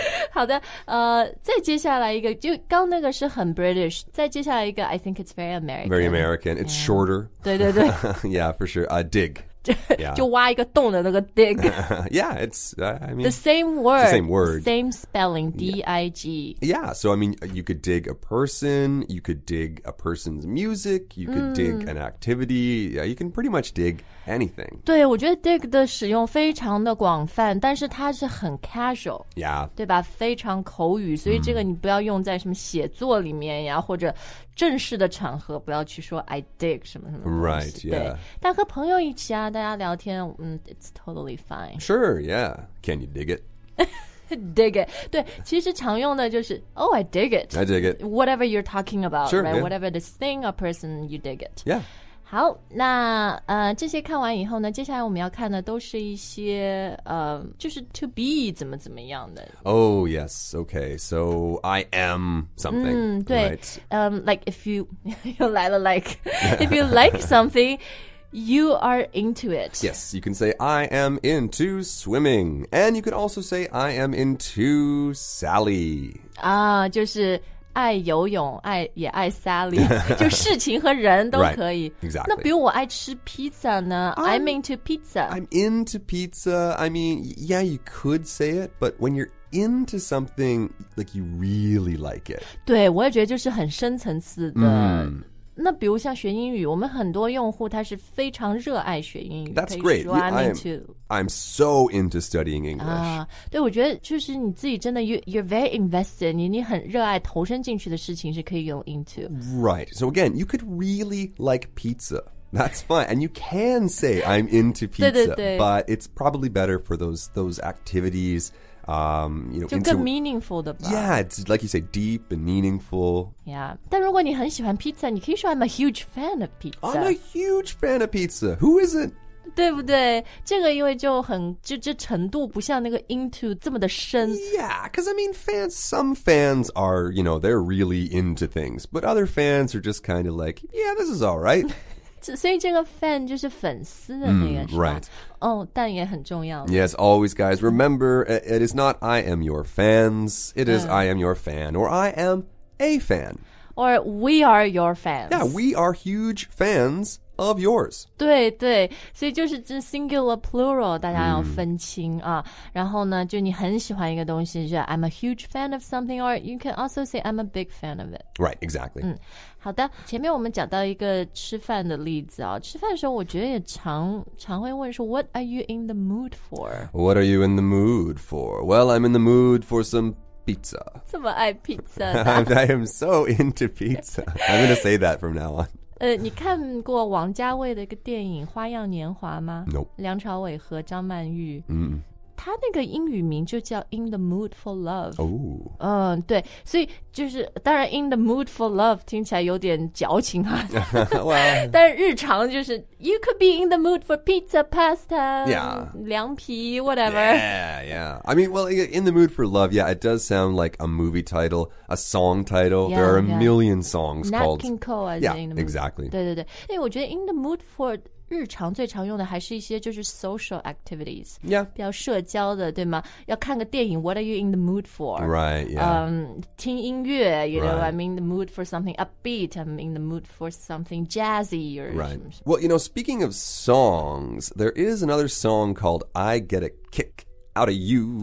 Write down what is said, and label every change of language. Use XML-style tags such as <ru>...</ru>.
<zh>好的，再接下来一个，就刚那个是很 British， 再接下来一个 ，</zh> <en>I think it's very American. Very American. It's shorter.</en> <zh>对对对。</zh> <en>Yeah, for sure. A dig. Yeah.</en> <zh>就挖一个洞的那个 dig.</zh> <en>Yeah, it's, I mean, the same word. The same word. Same spelling, D-I-G. Yeah, so I mean, you could dig a person, you could dig a person's music, you could dig an activity. Yeah, you can pretty much dig anything.</en> <zh>对，我觉得 dig 的使用非常的广泛，但是它是很 casual.</zh> <en>Yeah.</en> <zh>对吧？非常口语，所以这个你不要用在什么写作里面呀，或者正式的场合不要去说</zh> <en>I dig</en> <zh>什么什么东西。</zh> <en>Right, yeah.</en> <zh>但和朋友一起啊，大家聊天，</zh> <en>it's totally fine. Sure, yeah. Can you dig it? dig it. 对，其实常用的就是 oh, I dig it. I dig it. Whatever you're talking about, sure, right? Yeah. Whatever this thing or person, you dig it. Yeah.</en> <zh>好，那这些看完以后呢，接下来我们要看的都是一些就是 to be 怎么怎么样的。</zh> <en>Oh yes, okay. So I am something.</en> <zh>嗯，对，</zh> <en>right. Like if you</en> <zh>又来了</zh> <en>like if you like something, you are into it. Yes, you can say I am into swimming, and you could also say I am into Sally.</en> <zh>啊，就是。爱游泳，爱也爱 Sally， 就事情和人都可以。</zh> <en>Right, exactly.</en> <zh>那比如我爱吃 pizza 呢 ？</zh> <en>I'm into pizza. I'm into pizza. I mean, yeah, you could say it, but when you're into something, like you really like it.</en> <zh>对，我也觉得就是很深层次的。那比如像学英语，我们很多用户他是非常热爱学英语。</zh> <en>That's great. I'm so into studying English.</en> <zh>对，我觉得就是你自己真的</zh> <en>you're very invested.</en> <zh>你很热爱投身进去的事情是可以用 into.</zh> <en>Right. So again, you could really like pizza. That's fine. And you can say I'm into pizza.</en> <zh>对对对。</zh> <en>But it's probably better for those activities.</en> <zh>就更 meaningful 的吧</zh> <en>Yeah, it's like you say, deep and meaningful</en> <zh>Yeah, 但如果你很喜欢 pizza 你可以说</zh> <en>I'm a huge fan of pizza I'm a huge fan of pizza, who isn't?</en> <zh>对不对这个因为就很就程度不像那个 into 这么的深</zh> <en>Yeah, because I mean fans, some fans are, you know, they're really into things But other fans are just kind of like, yeah, this is alright</en> <zh>所以这个 fan 就是粉丝的那个是吧</zh> <en>Right</en> <zh>Oh, 但也很重要。</zh> <en>Yes, always, guys. Remember, it is not I am your fans. It is I am your fan, or I am a fan. Or we are your fans. Yeah, we are huge fans of yours.</en> <zh>对对，所以就是这 singular plural 大家要分清啊。然后呢，就你很喜欢一个东西，就是</zh> <en>I'm a huge fan of something, or you can also say I'm a big fan of it. Right, exactly.</en> <zh>好的，前面我们讲到一个吃饭的例子啊，吃饭的时候我觉得也常会问说</zh> <en>What are you in the mood for? What are you in the mood for? Well, I'm in the mood for some pizza.</en> <zh>这么爱 pizza?</zh> <en>I am so into pizza. I'm going to say that from now on.</en> <zh>你看过王家卫的一个电影《花样年华》吗</zh> <en>？Nope.</en> <zh>梁朝伟和张曼玉。他那个英语名就叫 In the Mood for Love 哦、</zh> <en>oh.</en> <zh>对所以就是当然 In the Mood for Love 听起来有点矫情啊</zh> <en>well,</en> <zh>但日常就是</zh> <en>You could be in the mood for pizza, pasta Yeah</en> <zh>凉皮</zh> <en>whatever Yeah, yeah I mean, well, In the Mood for Love Yeah, it does sound like a movie title A song title yeah, There are a、 yeah. million songs Nat called Nat King Cole Yeah, exactly</en> <zh>对对对因为我觉得</zh> <en>In the Mood for</en> <zh>日常最常用的还是一些就是</zh> <en>social activities Yeah</en> <zh>比较社交的对吗要看个电影</zh> <en>What are you in the mood for? Right, yeah</en> <zh>听音乐</zh> <en>You know,、right. I'm in the mood for something upbeat I'm in the mood for something jazzy or Right Well, you know, speaking of songs There is another song called I Get a Kick Out of You</en>